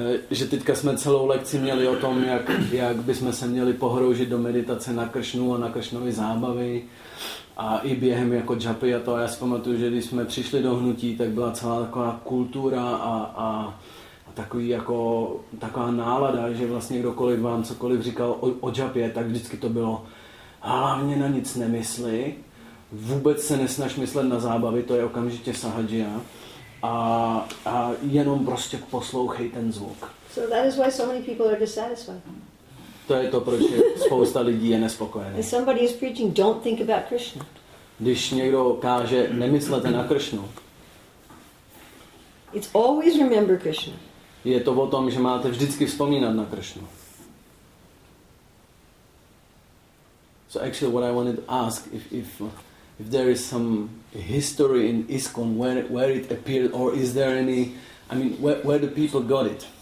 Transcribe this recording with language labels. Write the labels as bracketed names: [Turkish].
[Czech] Že teďka jsme celou lekci měli o tom, jak bychom se měli pohroužit do meditace na Kršnu a na Kršnovy zábavy a i během jako džapy a to. A já si pamatuju, že když jsme přišli do hnutí, tak byla celá taková kultura a takový jako taková nálada, že vlastně kdokoliv vám cokoliv říkal o džapě, tak vždycky to bylo hlavně na nic nemysli. Vůbec se nesnaž myslet na zábavy, to je okamžitě sahadžia. A jenom prostě poslouchej ten zvuk. [English] So that is why so many people are dissatisfied. [Czech] To je to, proč spousta lidí je nespokojený. [English] If somebody is preaching, don't think about Krishna. [Czech] Když někdo káže, nemyslete na Krishnu. [English] It's always remember Krishna. [Czech] Je to o tom, že máte vždycky vzpomínat na Krishnu. [English] So actually what I wanted to ask, if there is some history in ISKCON where it appeared, or is there any, I mean, where do people got it?